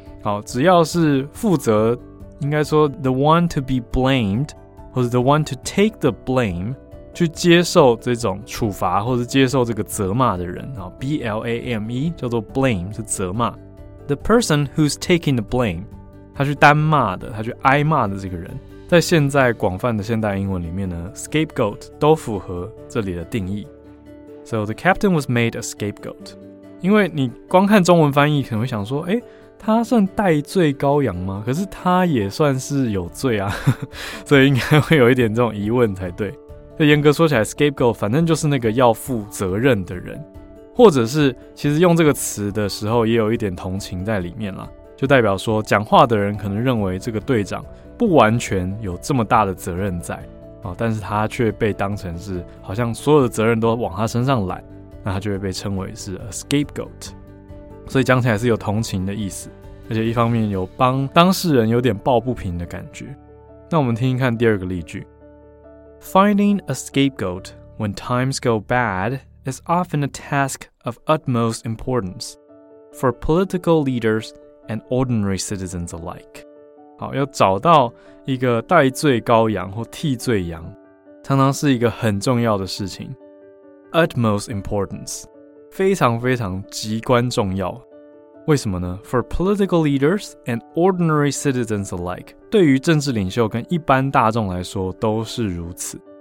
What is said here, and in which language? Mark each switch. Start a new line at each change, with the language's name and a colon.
Chinese: 好，只要是负责，应该说
English: the one to be blamed
Chinese: 或者
English: the one to take the blame，
Chinese: 去接受这种处罚或者接受这个责骂的人，好， blame 叫做 blame， 是责骂。
English: The person who's taking the blame，
Chinese: 他去单骂的，他去挨骂的这个人，在现在广泛的现代英文里面呢， scapegoat 都符合这里的定义。
English: So the captain was made a scapegoat.
Chinese: 因为你光看中文翻译可能会想说，他算戴罪羔羊吗？可是他也算是有罪啊，所以应该会有一点这种疑问才对。那严格说起来 scapegoat 反正就是那个要负责任的人，或者是其实用这个词的时候也有一点同情在里面啦，就代表说讲话的人可能认为这个队长不完全有这么大的责任在，但是他却被当成是好像所有的责任都往他身上揽，那他就会被称为是
English: a scapegoat。
Chinese: 所以讲起来是有同情的意思，而且一方面有帮当事人有点抱不平的感觉。那我们听一看第二个例句。
English: Finding a scapegoat when times go bad is often a task of utmost importance for political leaders and ordinary citizens alike。
Chinese: 好，要找到一个代罪羔羊或替罪羊常常是一个很重要的事情。
English: Utmost importance，
Chinese: 非常非常极关重要。为什么呢？
English: For political leaders and ordinary citizens alike，
Chinese: 对于政治领袖跟一般大众来说都是如此。